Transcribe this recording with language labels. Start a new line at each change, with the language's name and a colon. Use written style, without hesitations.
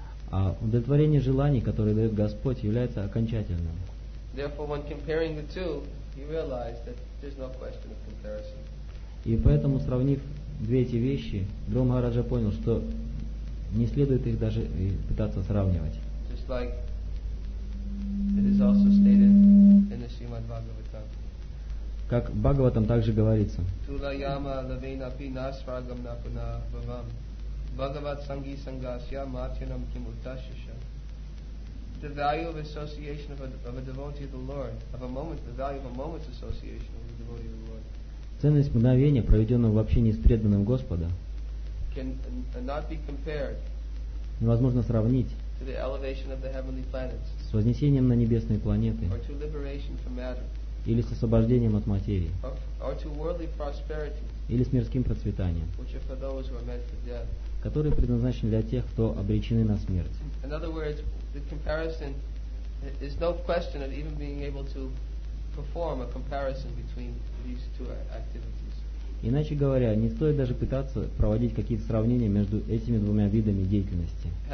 Russian: А удовлетворение желаний, которые дает Господь, является окончательным.
English: Therefore, when comparing the two, he realized that there's no question of comparison.
Russian: И поэтому, сравнив две эти вещи, Дхрува Махараджа понял, что не следует их даже пытаться сравнивать.
English: Just like it is also stated in the Srimad Bhagavatam.
Russian: Как в Бхагаватам также говорится.
Sanskrit: Tula yama lavena pi nasvargam napuna bhavam. Bhagavat sangi sangasya matyanam kim utashisha.
English: The value of association of a devotee of the Lord, of a moment, the value of a moment's association of a devotee of the Lord.
Russian: Ценность мгновения, проведенного в общении с преданным Господа,
English: cannot be compared
Russian: невозможно сравнить
English: to the elevation of the heavenly planets,
Russian: с вознесением на небесные планеты
English: or to liberation from matter,
Russian: или с освобождением от материи
English: or to worldly prosperity,
Russian: или с мирским процветанием,
English: which are for those who are meant for death,
Russian: которые предназначены для тех, кто обречены на смерть.
English: In other words, the comparison is no question of even being able to perform a comparison between these two activities.
Russian: Иначе говоря, не стоит даже пытаться проводить какие-то сравнения между этими двумя видами деятельности.